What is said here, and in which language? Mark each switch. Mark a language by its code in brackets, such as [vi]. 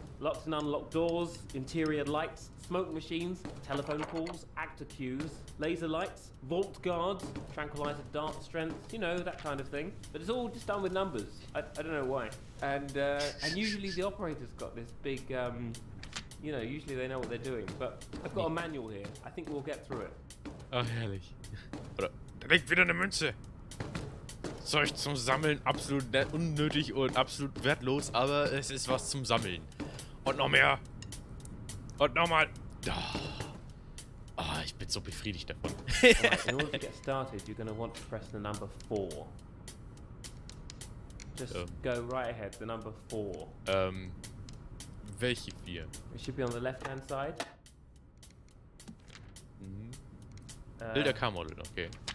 [en] Locked and unlocked doors, interior lights, smoke machines, telephone calls, actor cues, laser lights, vault guards, tranquilizer dart strengths, you know, that kind of thing. But it's all just done with numbers. I don't know why. And usually the operator's got this big, you know, usually they know what they're doing. But I've got a manual here. I think we'll get through it. [de] Oh, herrlich. Oder, da liegt wieder eine Münze. Zeug zum Sammeln, absolut unnötig und absolut wertlos, aber es ist was zum Sammeln. Und noch mehr. Und nochmal. Oh, ich bin so befriedigt davon. [en] Right, in order to get started, you're gonna want to press the number 4. Just go right ahead, the number 4. [de] Welche 4? [en] It should be on the left hand side. [de] Bilder-Kamera, okay.